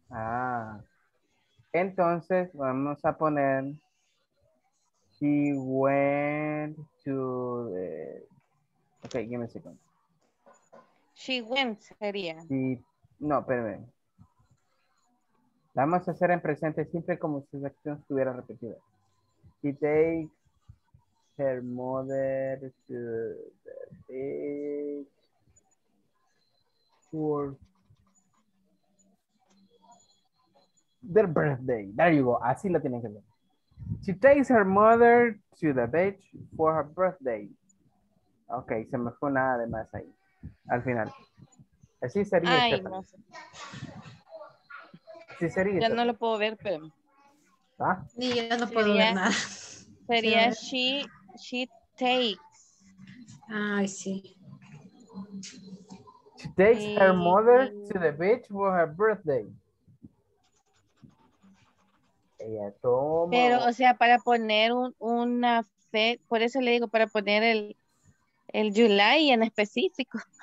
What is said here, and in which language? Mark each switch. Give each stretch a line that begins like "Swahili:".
Spanish: Ah, entonces vamos a poner,
English: she went to the, okay, give me a second. She went, sería.
Spanish: She, no, espérame. La vamos a hacer en presente siempre como si la acción estuviera repetida.
English: She takes her mother to the beach for their birthday. There you go.
Spanish: Así lo tienen que ver.
English: She takes her mother to the beach for her birthday.
Spanish: Ok, se me fue nada de más ahí. Al final. Así sería. Ay, no sé. Así sería. Ya no lo puedo ver, pero. ¿Ah? Ni yo no puedo ver nada.
English: Sería she takes.
Spanish: Ay, sí.
English: She takes her mother to the beach for her birthday.
Spanish: Ella toma. Pero, o sea, para poner una fe, por eso le digo, para poner el July en específico.